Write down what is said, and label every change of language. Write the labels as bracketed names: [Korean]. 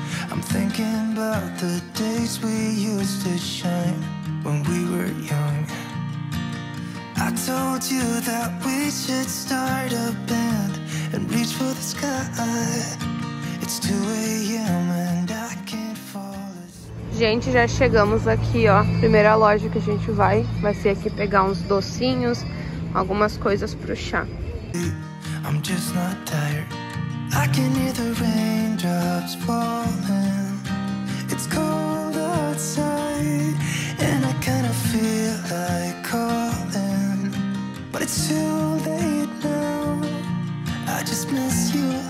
[English] I'm thinking about the days we used to shine when we were young. I told you that we should start a band and reach for the sky. It's 2 a.m. and I can't fall asleep. [Portuguese] Gente, já chegamos aqui, ó. Primeira loja que a gente vai ser aqui pegar uns docinhos, algumas coisas pro chá. [English] I'm just not tired. I can hear the raindrops falling. It's cold outside and I kind of feel like calling. But it's too late now. I just miss you.